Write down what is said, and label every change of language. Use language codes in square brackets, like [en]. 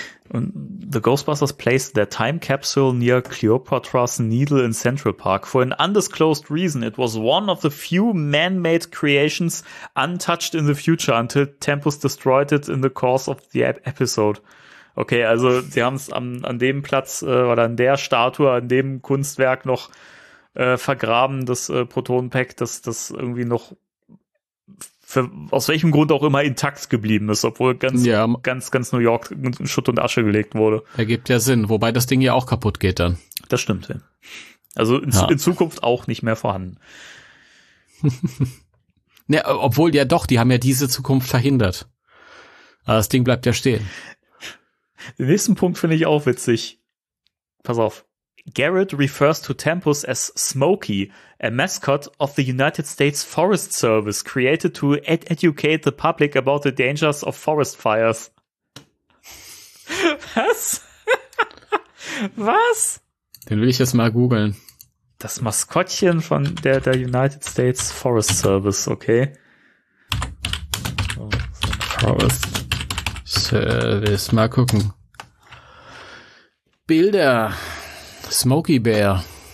[en] Und The Ghostbusters placed their time capsule near Cleopatra's Needle in Central Park for an undisclosed reason. It was one of the few man-made creations untouched in the future until Tempest destroyed it in the course of the episode. [de] Okay, also sie haben es an dem Platz oder an der Statue, an dem Kunstwerk noch vergraben, das Protonenpack, dass das irgendwie noch aus welchem Grund auch immer intakt geblieben ist, obwohl ganz New York in Schutt und Asche gelegt wurde. Ergibt ja Sinn, wobei das Ding ja auch kaputt geht dann. Das stimmt. Also in Zukunft auch nicht mehr vorhanden. Ja, obwohl ja doch, die haben ja diese Zukunft verhindert. Aber das Ding bleibt ja stehen. Den nächsten Punkt finde ich auch witzig. Pass auf. [en] Garrett refers to Tempus as Smokey, a mascot of the United States Forest Service, created to educate the public about the dangers of forest fires. [de] Was? Was? Den will ich jetzt mal googeln. Das Maskottchen von der United States Forest Service, okay. Forest Service, mal gucken. Bilder. Smokey Bear.